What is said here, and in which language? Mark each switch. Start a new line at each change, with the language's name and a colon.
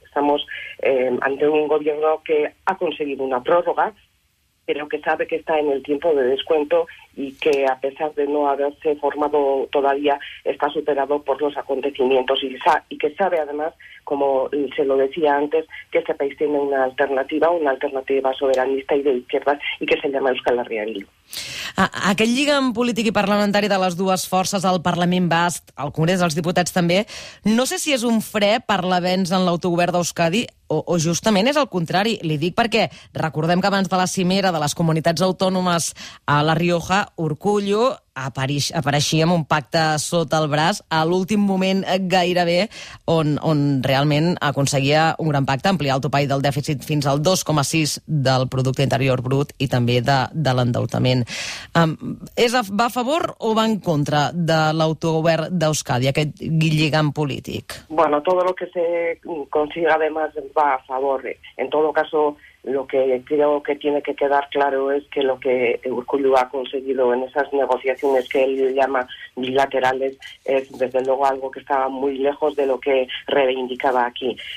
Spanish: Estamos ante un gobierno que ha conseguido una prórroga, pero que sabe que está en el tiempo de descuento y que a pesar de no haberse formado todavía, está superado por los acontecimientos y que sabe además, como se lo decía antes, que este país tiene una alternativa soberanista y de izquierdas y que se llama Euskal Herria Bildu.
Catalan: Aquest lligam polític i parlamentari de les dues forces al Parlament Basc, al Congrés dels Diputats també, no sé si és un fre per l'avenç en l'autogovern d'Euskadi o justament és el contrari. Li dic perquè recordem que abans de la cimera de les comunitats autònomes a La Rioja, Urkullu apareixia amb un pacte sota el braç a l'últim moment gairebé on realment aconseguia un gran pacte, ampliar el topall del dèficit fins al 2,6 del producte interior brut i també de l'endeutament. Va a favor o va en contra de l'autogovern d'Euskadi, aquest lligam polític?
Spanish: Bueno, todo lo que se consiga además va a favor. En todo caso, lo que creo que tiene que quedar claro es que lo que Urkullu ha conseguido en esas negociaciones que él llama bilaterales es desde luego algo que estaba muy lejos de lo que reivindicaba aquí.